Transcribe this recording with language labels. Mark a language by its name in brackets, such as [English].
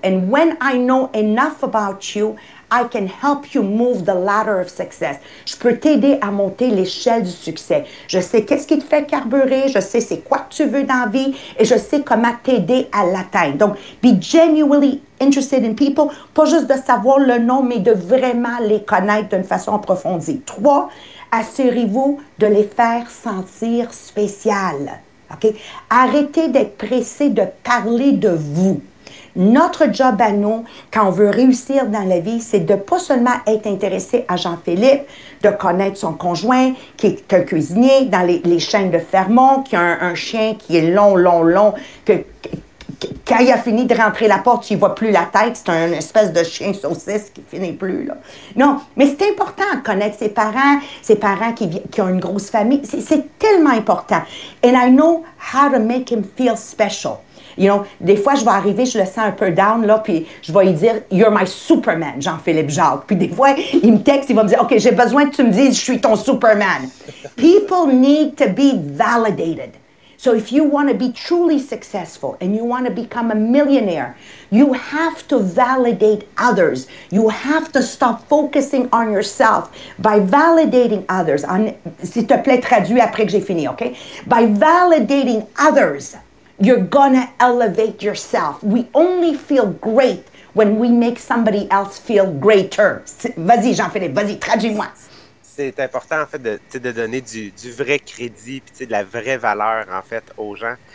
[English] And when I know enough about you, I can help you move the ladder of success. [French] Je peux t'aider à monter l'échelle du succès. Je sais qu'est-ce qui te fait carburer, je sais c'est quoi que tu veux dans la vie et je sais comment t'aider à l'atteindre. Donc, [English] be genuinely interested in people, [French] pas juste de savoir le nom, mais de vraiment les connaître d'une façon approfondie. Trois, assurez-vous de les faire sentir spéciales. Okay? Arrêtez d'être pressé de parler de vous. Notre job à nous, quand on veut réussir dans la vie, c'est de pas seulement être intéressé à Jean-Philippe, de connaître son conjoint, qui est un cuisinier dans les chaînes de Fermont, qui a un chien qui est long, long, long, que quand il a fini de rentrer la porte, il voit plus la tête, c'est un espèce de chien saucisse qui finit plus, là. Non, mais c'est important de connaître ses parents qui ont une grosse famille, c'est tellement important. [English] And I know how to make him feel special. [French] You know, des fois, je vais arriver, je le sens un peu down, là, puis je vais lui dire, « [English] You're my Superman, [French] Jean-Philippe Jacques. » Puis des fois, il me texte, il va me dire, « OK, j'ai besoin que tu me dises, je suis ton Superman. » [English] People need to be validated. So if you want to be truly successful and you want to become a millionaire, you have to validate others. You have to stop focusing on yourself by validating others. [French] S'il te plaît, traduis après que j'ai fini, OK? [English] By validating others, you're gonna elevate yourself. We only feel great when we make somebody else feel greater. [French] Vas-y, Jean-Philippe, vas-y, traduis-moi. C'est important, en fait, de donner du vrai crédit puis de la vraie valeur, en fait, aux gens.